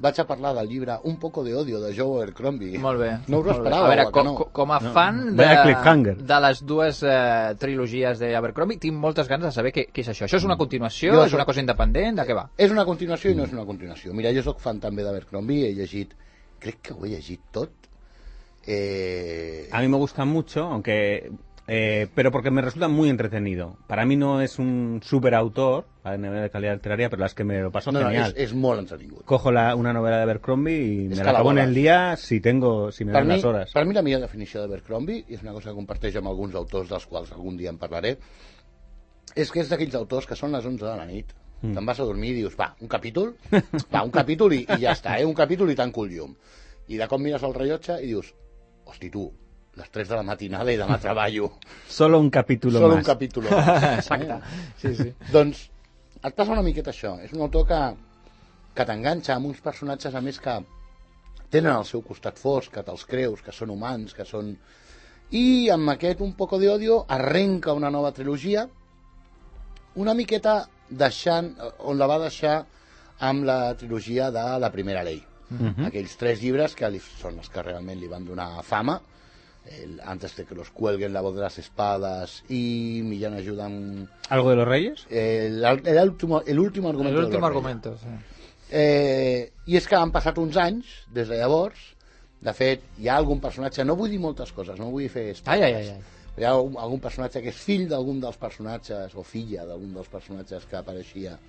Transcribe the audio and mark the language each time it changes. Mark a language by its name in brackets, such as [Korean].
[Catalan] Vaig a parlar del llibre Un poco de odio, de Joe Abercrombie. Molt bé. No us ho esperàveu, a veure, que no. Com a fan de les dues trilogies d'Abercrombie, tinc moltes ganes de saber què és això. Això és una continuació? Jo, és una cosa independent? De què va? És una continuació i no és una continuació. Mira, jo sóc fan també d'Abercrombie, he llegit... Crec que ho he llegit tot. [Spanish] A mi me gusta mucho, aunque... pero porque me resulta muy entretenido. Para mí no es un superautor a nivel de calidad literaria, pero las que me lo paso genial. [Catalan] Es molt entretingut. [Spanish] Cojo una novela de Abercrombie y me la acabo en el día si me dan las horas. [Catalan] Per mi la millor definició de Abercrombie, i és una cosa que comparteixo amb alguns autors dels quals algun dia en parlaré, és que és d'aquells autors que són les 11 de la nit. Te'n vas a dormir i dius, va, un capítol? Va, un capítol i ja està, un capítol i tanco el llum. I de cop mires el rellotge i dius, hosti tu, les 3 de la matinada i demà treballo. Solo un capítol més. Solo un capítol més. Exacte. Sí, sí. Doncs et passa una miqueta això. És un autor que t'enganxa amb uns personatges, a més, que tenen el seu costat fosc, que te'ls creus, que són humans, que són... I amb aquest Un poco de odio arrenca una nova trilogia, una miqueta deixant, on la va deixar amb la trilogia de La primera ley. Mm-hmm. Aquells 3 llibres que són els que realment li van donar fama. [Spanish] Antes de que los cuelguen, La voz de las espadas y Millán ayuda en... ¿Algo de los reyes? El último argumento. El último argumento, sí. [Catalan] I és que han passat uns anys des de llavors. De fet, hi ha algun personatge, no vull dir moltes coses, no vull fer espais. Ai. Hi ha algun personatge que és fill d'algun dels personatges o filla d'algun dels personatges que apareixia.